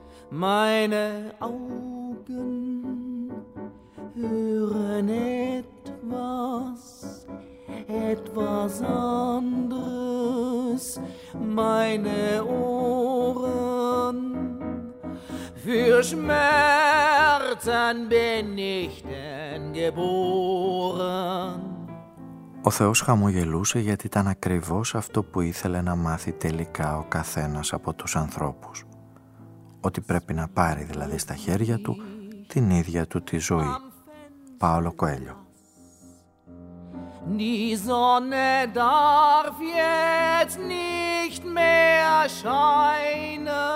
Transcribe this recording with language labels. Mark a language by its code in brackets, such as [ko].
[de] Meine Augen hören etwas, etwas anderes, meine Ohren. Für Schmerzen bin ich denn geboren. [el] Ο Θεός χαμογελούσε γιατί ήταν ακριβώς αυτό που ήθελε να μάθει τελικά ο καθένας από τους ανθρώπους. Ότι πρέπει να πάρει δηλαδή στα χέρια του την ίδια του τη ζωή. Παόλο Κοέλιο. [de] Die Sonne darf jetzt nicht mehr scheinen.